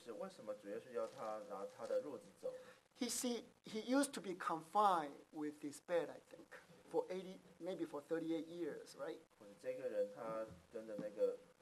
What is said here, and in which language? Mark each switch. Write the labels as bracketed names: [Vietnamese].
[Chinese] 另外一个问题，让我想到就是为什么主耶稣要他拿他的褥子走？ [English] He used to be confined with his bed, I think, for 80, maybe for 38 years, right? [Chinese] 或者这个人他跟着那个。